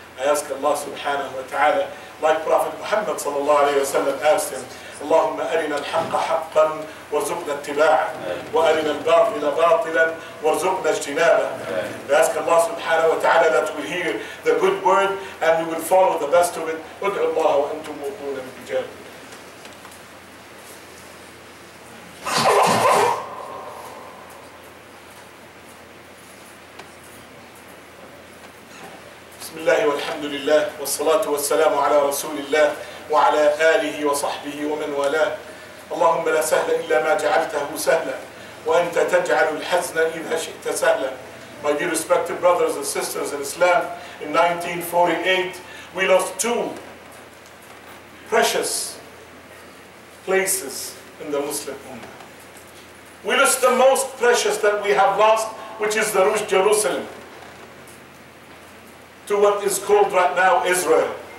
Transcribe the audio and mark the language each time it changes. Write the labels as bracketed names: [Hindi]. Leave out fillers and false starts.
[English] I ask Allah subhanahu wa ta'ala, like Prophet Muhammad sallallahu alayhi wa sallam asked him, [Arabic] اللهم أرنا الحق حقا وارزقنا اتباعه وأرنا الباطل باطلا وارزقنا اجتنابه. [English] We ask Allah subhanahu wa ta'ala that we hear the good word and we will follow the best of it. [Arabic] ادعوا الله وأنتم موقون بالإجابة. بسم الله والحمد لله والصلاة والسلام على رسول الله وعلى آله وصحبه ومن والاه. اللهم لا سهل إلا ما جعلته سهلا وأنت تجعل الحزن إذا شئت سهلا. [English] My dear respected brothers and sisters in Islam, in 1948 we lost two precious places in the Muslim Ummah. We lost the most precious that we have lost, which is the Jerusalem, to what is called right now Israel.